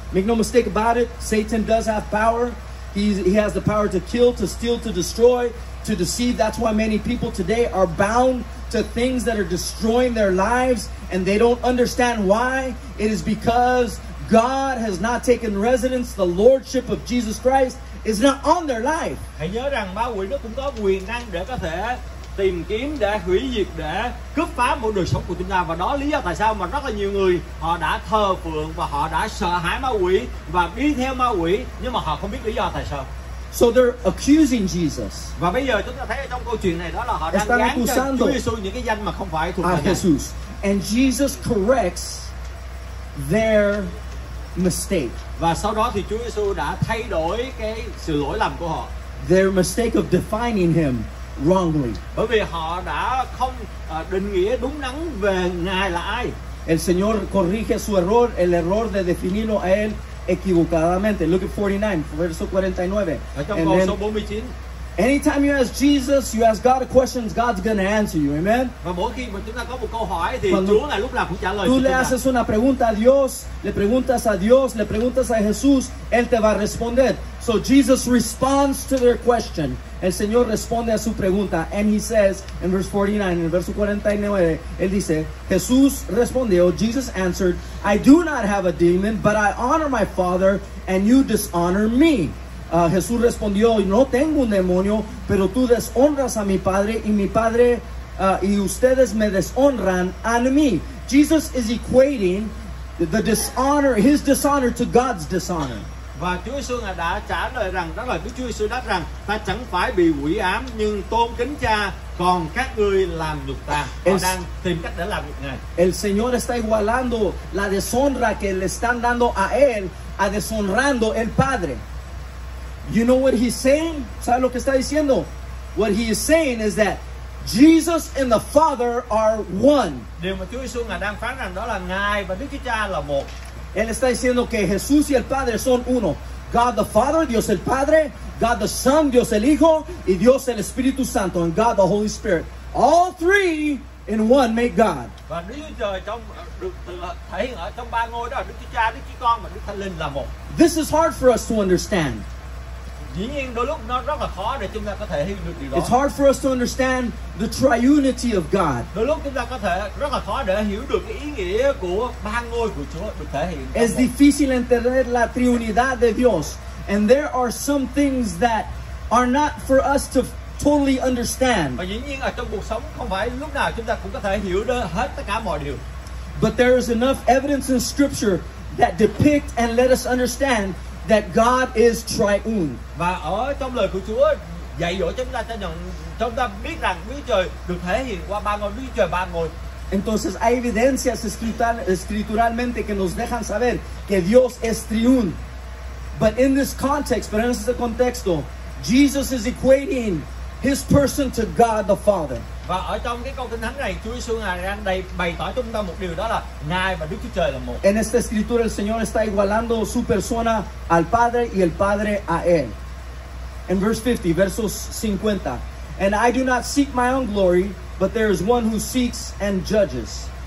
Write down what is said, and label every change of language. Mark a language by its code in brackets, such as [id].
[en] Make no mistake about it, Satan does have power. He has the power to kill, to steal, to destroy, to deceive. That's why many people today are bound to things that are destroying their lives and they don't understand why. It is because God has not taken residence. The Lordship of Jesus Christ is not on their life. [vi] Hãy nhớ rằng ma quỷ nó cũng có quyền năng để có thể tìm kiếm, để hủy diệt, để cướp phá mỗi đời sống của chúng ta. Và đó lý do tại sao mà rất là nhiều người họ đã thờ phượng và họ đã sợ hãi ma quỷ và đi theo ma quỷ, nhưng mà họ không biết lý do tại sao. [en] So they're accusing Jesus. [vi] Và bây giờ chúng ta thấy trong câu chuyện này đó là họ đang gán cho Chúa Giêsu những cái danh mà không phải thuộc về [en] Jesus. And Jesus corrects their mistake. [vi] Và sau đó thì Chúa Giêsu đã thay đổi cái sự lỗi lầm của họ. [en] Their mistake of defining him wrongly. [vi] Bởi vì họ đã không định nghĩa đúng đắn về Ngài là ai. [es] El Señor corrige su error, el error de definirlo a él equivocadamente. [en] Look at 49, verso 49. [vi] Ở trong câu số 49. [en] Anytime you ask Jesus, you ask God a question, God's going to answer you. Amen. [vi] Và mỗi khi mà chúng ta có một câu hỏi thì Chúa ngài lúc nào cũng trả lời. [es] Tú le haces una pregunta a Dios, le preguntas a Dios, le preguntas a Jesús, él te va a responder. [en] So Jesus responds to their question. [es] El Señor responde a su pregunta. [en] And he says in verse 49, in verso 49, [es] él dice, Jesús respondió, [en] Jesus answered, I do not have a demon, but I honor my Father, and you dishonor me. [es] Jesús respondió, no tengo un demonio, pero tú deshonras a mi Padre, y mi Padre, y ustedes me deshonran a mí. [en] Jesus is equating the dishonor, his dishonor to God's dishonor. [vi] Và Chúa Giêsu đã trả lời rằng, đó là Đức Chúa Giêsu đáp rằng, ta chẳng phải bị quỷ ám nhưng tôn kính cha, còn các ngươi làm nhục ta. Họ đang tìm cách để làm nhục ngài. [es] El Señor está igualando la deshonra que le están dando a él a deshonrando el Padre. [en] You know what he's saying? [es] ¿Sabes lo que está diciendo? [en] What he is saying is that Jesus and the Father are one. [vi] Điều mà Chúa Giêsu đang phán rằng đó là ngài và Đức Chúa Cha là một. [es] Él está diciendo que Jesús y el Padre son uno. [en] God the Father, [es] Dios el Padre. [en] God the Son, [es] Dios el Hijo. Y Dios el Espíritu Santo. [en] And God the Holy Spirit. All three in one make God. [vi] Và Đức Chúa Trời trong được thể hiện ở trong ba ngôi đó, Đức Chúa Cha, Đức Chúa Con và Đức Thánh Linh là một. [en] This is hard for us to understand. [vi] Dĩ nhiên đôi lúc nó rất là khó để chúng ta có thể hiểu được điều đó. [en] It's hard for us to understand the triunity of God. [vi] Đôi lúc chúng ta có thể rất là khó để hiểu được cái ý nghĩa của ba ngôi của Chúa được thể hiện. [es] Es difícil entender la triunidad de Dios, [en] and there are some things that are not for us to totally understand. [vi] Và dĩ nhiên ở trong cuộc sống không phải lúc nào chúng ta cũng có thể hiểu được hết tất cả mọi điều. [en] But there is enough evidence in Scripture that depict and let us understand that God is triune. [vi] Và ở trong lời của Chúa dạy dỗ chúng ta cho nhận chúng ta biết rằng Đức Trời được thể hiện qua ba ngôi, Đức Trời ba ngôi. [es] Entonces hay evidencias escrituralmente que nos dejan saber que Dios es triune. [en] But in this context, [es] pero en este contexto, [en] Jesus is equating his person to God the Father. [vi] Và ở trong cái câu kinh thánh này, Chúa Giêsu ngài đang đầy bày tỏ chúng ta một điều đó là ngài và Đức Chúa Trời là một. [es] En esta escritura el Señor está igualando su persona al Padre y el Padre a él. [en] In verse 50, versos 50, and I do not seek my own glory, but there is one who seeks and judges.